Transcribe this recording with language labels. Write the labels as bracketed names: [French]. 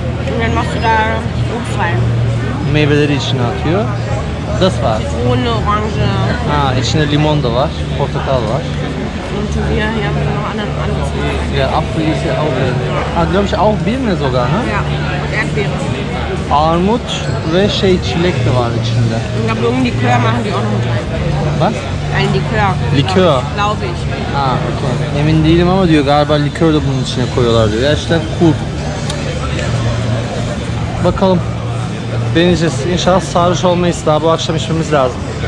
[German] Und dann machst du da Rotwein. [Turkish] Meyveleri içine atıyor. [German] Das war. Zitrone, Orange. [Turkish] Ha, içinde limon da var, portakal var. [German] Und hier haben wir noch einen anderen. Ja, Apfel ist ja auch. Ah, glaube ich auch Birne sogar, ne? Ja, Erdbeere. [Turkish] Armut ve şey, çilek de var içinde. Ya bu onun likör [German] machen die auch noch. Was? Ein Likör. Likör. Glaube ich. Ha, okay. [Turkish] Emin değilim ama diyor galiba likör de bunun içine koyuyorlar diyor. Gerçekten cool. Bakalım. Deneyeceğiz. İnşallah sarhoş olmayız. Daha bu akşam içmemiz lazım.